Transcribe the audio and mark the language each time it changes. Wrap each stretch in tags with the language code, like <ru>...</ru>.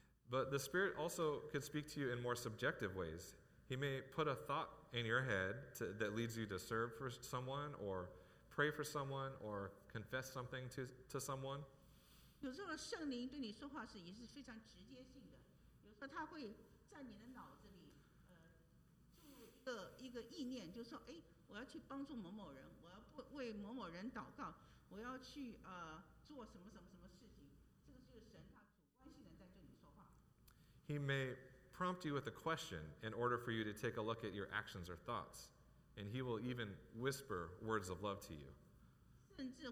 <en>But the Spirit also could speak to you in more subjective ways. He may put a thought in your head that leads you to serve for someone or pray for someone or confess something to someone.</en> <zh>有时候圣灵对你说话是也是非常直接性的，有时候他会在你的脑子里一个意念，就是说，哎，我要去帮助某某人，我要为某某人祷告，我要去做什么什么什么事情。这个就是神他主观性的在对你说话。</zh> <en>He may prompt you with a question in order for you to take a look at your actions or thoughts. And He will even whisper words of love to you.</en>